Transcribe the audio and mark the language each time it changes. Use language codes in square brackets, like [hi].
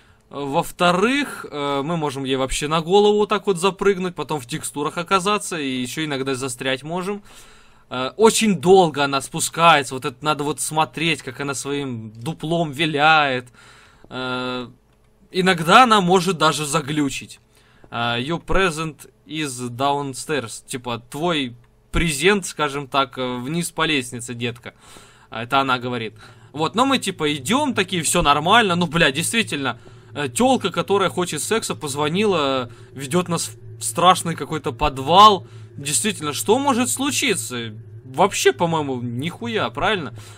[ru] Во-вторых, мы можем ей вообще на голову вот так вот запрыгнуть, потом в текстурах оказаться и еще иногда застрять можем. Очень долго она спускается, вот это надо вот смотреть, как она своим дуплом виляет. Иногда она может даже заглючить. [en] Your present is downstairs. [ru] Типа, твой презент, скажем так, вниз по лестнице, детка. Это она говорит. Вот, но мы типа идем, такие, все нормально. Ну, бля, действительно, тёлка, которая хочет секса, позвонила, ведет нас в страшный какой-то подвал. Действительно, что может случиться? Вообще, по-моему, нихуя, правильно?